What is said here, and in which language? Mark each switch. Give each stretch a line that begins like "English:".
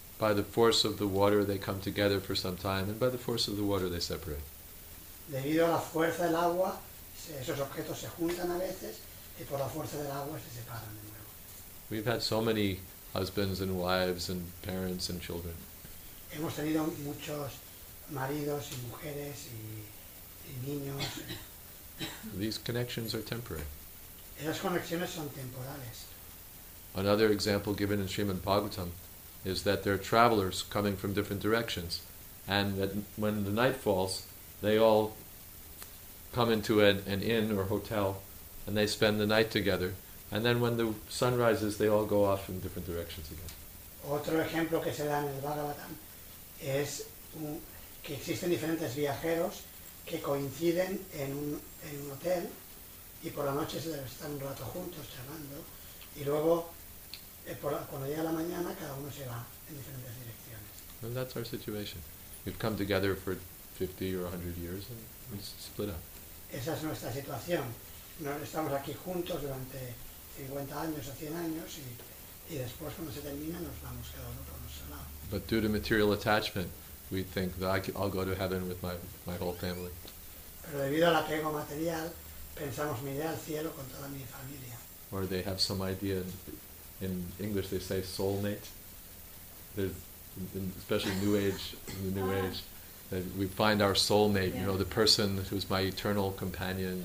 English: By the force of the water they come together for some time, and by the force of the water they separate.
Spanish: Debido a la fuerza del agua, esos objetos se juntan a veces y por la fuerza del agua se separan de nuevo.
English: We've had so many husbands and wives and parents and children.
Spanish: Hemos tenido muchos maridos y mujeres y niños.
English: These connections are temporary.
Spanish: Esas conexiones son temporales.
English: Another example given in Srimad Bhagavatam is that there are travelers coming from different directions, and that when the night falls, they all come into an inn or hotel and they spend the night together, and then when the sun rises they all go off in different directions again.
Spanish: Otro ejemplo que se da en el Bhagavatam es que existen diferentes viajeros que coinciden en un hotel y por la noche se están un rato juntos charlando y luego cuando llega la mañana cada uno se va en diferentes direcciones.
English: And that's our situation. We've come together for 50 or 100 years and split up.
Spanish: Esa es nuestra situación. No estamos aquí juntos durante 50 años o 100 años y después cuando se termina nos vamos cada uno por nuestro lado.
English: But due to material attachment, we think that I'll go to heaven with my whole family.
Spanish: Pero debido al apego material, pensamos me iré al cielo con toda mi familia.
English: Or they have some idea, in English they say soulmate. There's especially in the new age. That we find our soulmate, yeah. You know, the person who's my eternal companion.